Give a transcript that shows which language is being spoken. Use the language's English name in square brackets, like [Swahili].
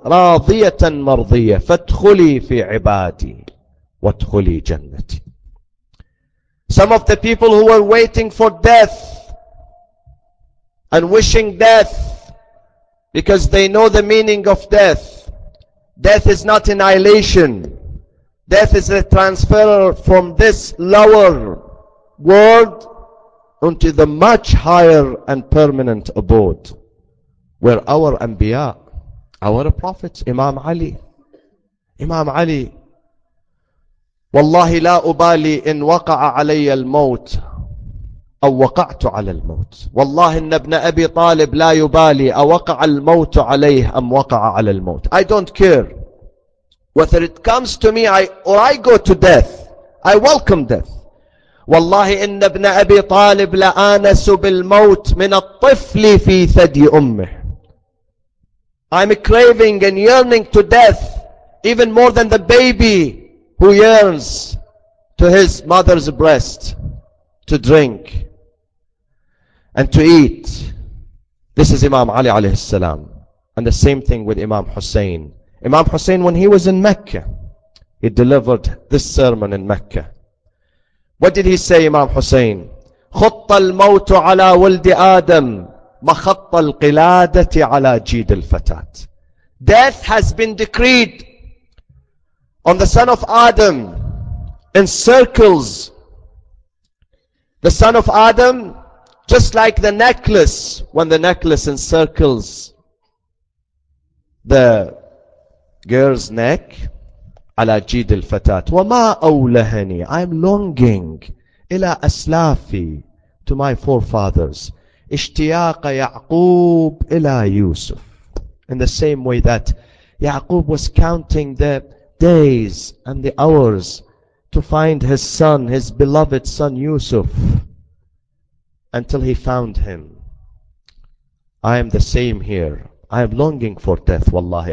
[Arabic] Radiyatan mardiyah. Fadkhuli fi ibadi wadkhuli jannati. [English] Some of the people who were waiting for death and wishing death because they know the meaning of death. Death is not annihilation. Death is a transfer from this lower world onto the much higher and permanent abode where our Anbiya, our prophets, Imam Ali, Imam Ali, [Arabic] والله لا أبالي إن وقع علي الموت أو وقعت على الموت والله إن ابن أبي طالب لا يبالي أوقع الموت عليه أم وقع على الموت. [English] I don't care whether it comes to me or I go to death. I welcome death. [Arabic] والله إن ابن أبي طالب لآنس بالموت من الطفل في ثدي أمه. [English] I'm craving and yearning to death even more than the baby who yearns to his mother's breast to drink and to eat. This is Imam Ali alayhi salam. And the same thing with Imam Hussein. Imam Hussein, when he was in Mecca, he delivered this sermon in Mecca. What did he say, Imam Hussein? [Arabic] خُطَّ الْمَوْتُ عَلَى وَلْدِ آدَمَ مَخَطَّ الْقِلَادَةِ عَلَى جِيدِ الْفَتَاتِ. [English] Death has been decreed on the son of Adam, in circles. The son of Adam, just like the necklace, when the necklace encircles the girl's neck, [Arabic] على جيد الفتاة. وما أولهني, [English] I'm longing, [Arabic] إلى أسلافي, [English] to my forefathers, [Arabic] اشتياق يعقوب إلى يوسف. [English] In the same way that Yaqub was counting the days and the hours to find his son, his beloved son Yusuf, until he found him. I am the same here. I am longing for death, wallahi.